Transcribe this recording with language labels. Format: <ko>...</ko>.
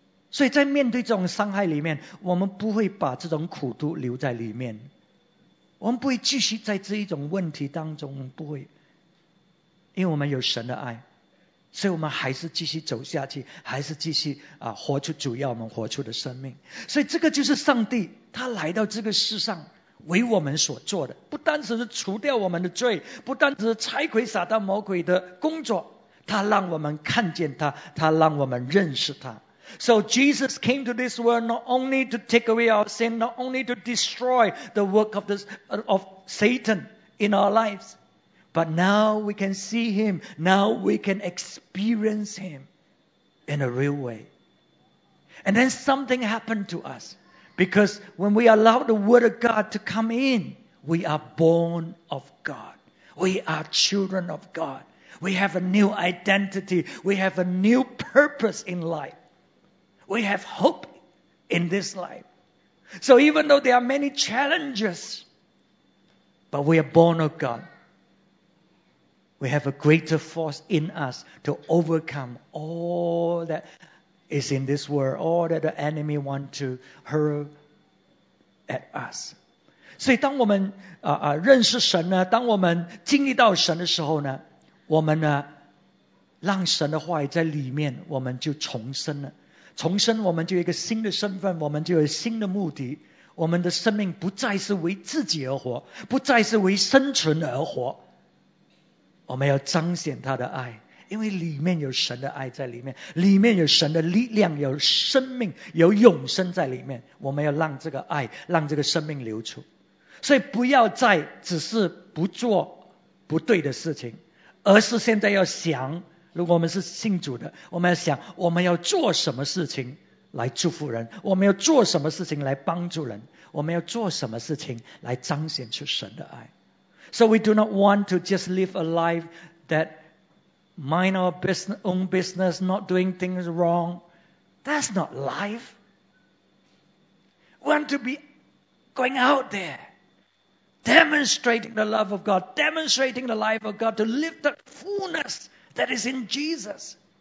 <zh>所以在面对这种伤害里面，我们不会把这种苦毒留在里面，我们不会继续在这一种问题当中，不会，因为我们有神的爱，所以我们还是继续走下去，还是继续啊活出主要我们活出的生命。所以这个就是上帝他来到这个世上为我们所做的，不单只是除掉我们的罪，不单只是拆毁撒旦魔鬼的工作，他让我们看见他，他让我们认识他。</zh> <en>So Jesus came to this world not only to take away our sin, not only to destroy the work of, of Satan in our lives, but now we can see Him, now we can experience Him in a real way. And then something happened to us, because when we allow the Word of God to come in, we are born of God. We are children of God. We have a new identity. We have a new purpose in life. We have hope in this life. So even though there are many challenges, but we are born of God, we have a greater force in us to overcome all that is in this world, all that the enemy wants to hurl at us.</en> <zh>所以当我们认识神呢，当我们经历到神的时候呢，我们呢让神的话语在里面，我们就重生了。重生我们就有一个新的身份，我们就有新的目的，我们的生命不再是为自己而活，不再是为生存而活，我们要彰显他的爱，因为里面有神的爱在里面，里面有神的力量，有生命，有永生在里面，我们要让这个爱，让这个生命流出。所以不要再只是不做不对的事情，而是现在要想，如果我们是信主的，我们要想我们要做什么事情来祝福人，我们要做什么事情来帮助人，我们要做什么事情来彰显出神的爱。</zh> <en>So we do not want to just live a life that mind our business, own business, not doing things wrong. That's not life. We want to be going out there, demonstrating the love of God, demonstrating the life of God, to live the fullnessThat is in Jesus.</en>